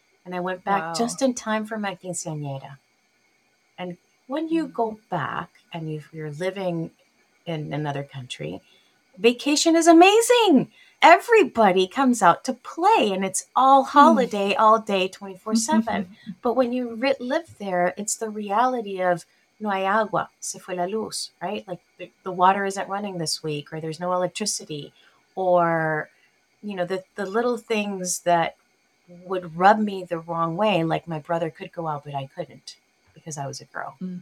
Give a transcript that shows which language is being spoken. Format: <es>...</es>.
<en>And I went back just in time for my quinceañera. And when you go back and you're living in another country, vacation is amazing. Everybody comes out to play, and it's all holiday, all day, 24/7. But when you live there, it's the reality of</en> <es>no hay agua, se fue la luz,</es> <en>right? Like the water isn't running this week, or there's no electricity, or, you know, the little things that would rub me the wrong way. Like, my brother could go out, but I couldn't because I was a girl.</en>